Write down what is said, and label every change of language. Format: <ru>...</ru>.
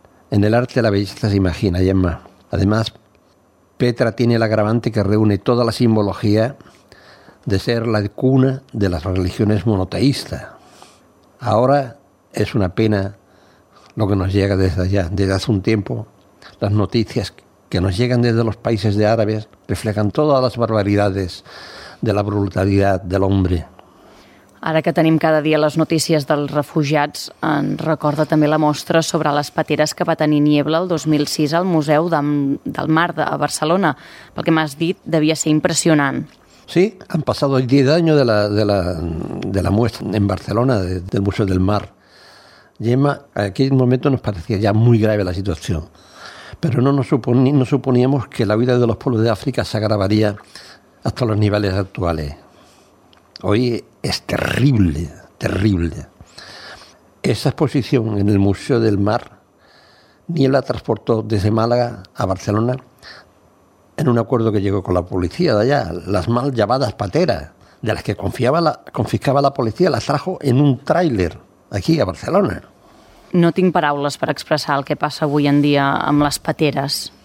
<es>En el arte la belleza se imagina, y es más. Además, Petra tiene el agravante que reúne toda la simbología de ser la cuna de las religiones monoteístas. Ahora es una pena lo que nos llega desde allá. Desde hace un tiempo, las noticias que nos llegan desde los países de árabes reflejan todas las barbaridades de la brutalidad del hombre.</es> <ca>Ara que tenim cada dia les notícies dels refugiats, en recorda també la mostra sobre les pateres que va tenir Niebla el 2006 al Museu del Mar de Barcelona. Pel que m'has dit, devia ser impressionant.</ca> <es>Sí, han pasado 10 años de la muestra en Barcelona del Museo del Mar. Gemma, en aquel momento nos parecía ya muy grave la situación, pero no suponíamos que la vida de los pueblos de África se agravaría hasta los niveles actuales. Hoy es terrible, terrible. Esa exposición en el Museo del Mar, Niebla transportó desde Málaga a Barcelona en un acuerdo que llegó con la policía de allá, las mal llamadas pateras, de las que confiscaba la policía, las trajo en un tráiler aquí a Barcelona.</es> <ca>No tinc paraules per expressar el que passa avui en dia amb les pateres.</ca>